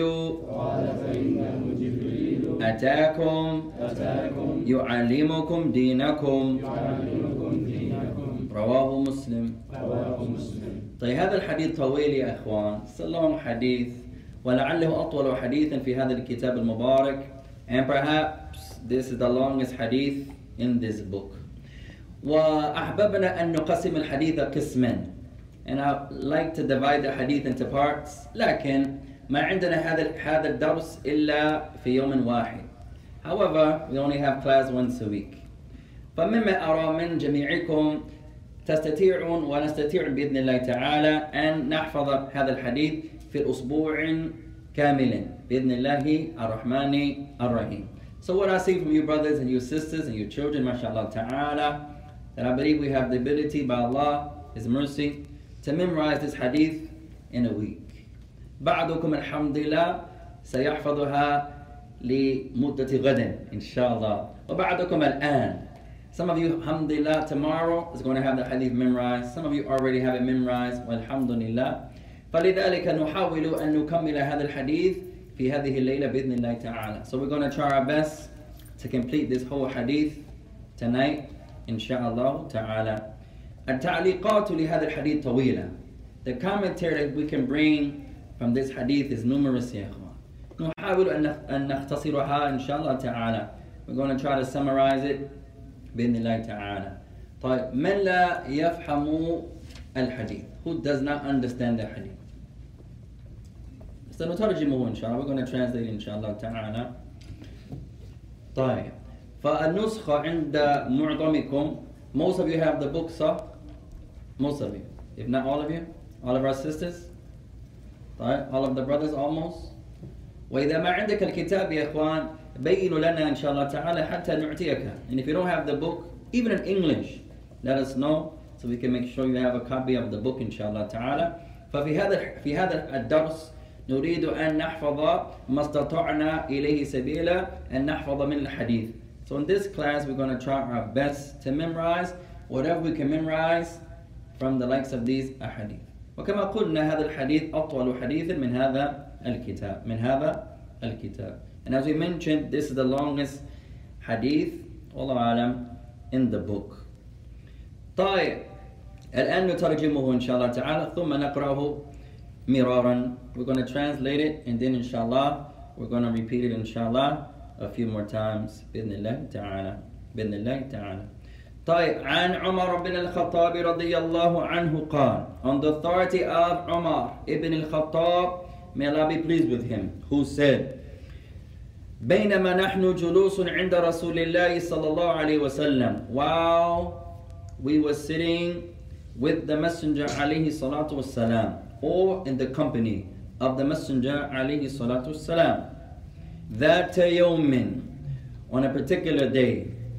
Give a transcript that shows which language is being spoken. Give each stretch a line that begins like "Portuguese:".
Arabic: قال فإنه جبريل. أتاكم. أتاكم. يعلمكم دينكم. يعلمكم دينكم. رواه مسلم. رواه مسلم. طيب هذا الحديث طويل يا أخوان، سلام حديث، ولعله أطول حديث في هذا الكتاب المبارك.
English: And perhaps this is the longest hadith in this book.
Arabic: وأحببنا أن نقسم الحديث قسمين.
English: And I like to divide the hadith into parts.
Arabic: لكن ما عندنا هذا الدرس إلا في يوم واحد.
English: However, we only have class once a week.
Arabic: فمما أرى من جميعكم تستطيعون ونستطيع بإذن الله تعالى أن نحفظ هذا الحديث في أسبوع كامل بإذن الله الرحمن الرحيم.
English: So what I see from you brothers and you sisters and your children, mashallah ta'ala, that I believe we have the ability by Allah, His mercy, to memorize this hadith in a week.
Arabic: بعضكم الحمد لله سيحفظها لمدة غد إن شاء الله وبعضكم الآن.
English: Some of you, alhamdulillah, tomorrow is going to have the hadith memorized. Some of you already have it memorized.
Arabic: Walhamdulillah. فَلِذَلِكَ نُحَاوِلُ أَن نُكَمِّلَ هَذَا الْحَدِيثِ فِي هَذِهِ اللَّيْلَةِ بِإِذْنِ اللَّهِ تَعَالَى.
English: So we're going to try our best to complete this whole hadith tonight, inshaAllah ta'ala.
Arabic: التعليقات لهذا الحديث طويلة.
English: The commentary that we can bring from this hadith is numerous,
Arabic: يا أخوان. نُحَاوِلُ أَن نَخْتَصِرُهَا inshaAllah ta'ala.
English: We're going to try to summarize it. بإذن الله تعالى.
Arabic: طيب من لا يفهم الحديث؟
English: Who does not understand the hadith؟
Arabic: سنترجمه إن شاء الله.
English: We're going to translate
Arabic: إن شاء الله تعالى. طيب فالنسخة عند معظمكم.
English: Most of you have the book, so most of you. If not all of you, all of our sisters. طيب all of the brothers almost.
Arabic: وإذا ما عندك الكتاب يا إخوان بينوا لنا إن شاء الله تعالى حتى نعطيك.
English: And if you don't have the book, even in English, let us know so we can make sure you have a copy of the book
Arabic: إن شاء الله تعالى. ففي هذا الدرس نريد أن نحفظ ما استطعنا إليه سبيلا أن نحفظ من الحديث.
English: So in this class, we're going to try our best to memorize whatever we can memorize from the likes of these ahadith.
Arabic: وكما قلنا هذا الحديث أطول حديث من هذا الكتاب من هذا الكتاب.
English: And as we mentioned, this is the longest hadith,
Arabic: والله أعلم,
English: in the book.
Arabic: طيب الآن نترجمه إن شاء الله تعالى ثم نقرأه مرارا.
English: We're going to translate it and then inshallah we're going to repeat it inshallah a few more times
Arabic: بإذن الله تعالى بإذن الله تعالى. طيب عن عمر بن الخطاب رضي الله عنه قال.
English: On the authority of عمر ابن الخطاب, may Allah be pleased with him, who said,
Arabic: بينما نحن جلوس عند رسول الله صلى الله عليه وسلم,
English: while we were sitting with the Messenger
Arabic: عليه الصلاة والسلام,
English: or in the company of the Messenger عليه الصلاة والسلام,
Arabic: ذات يوم,
English: on a particular day,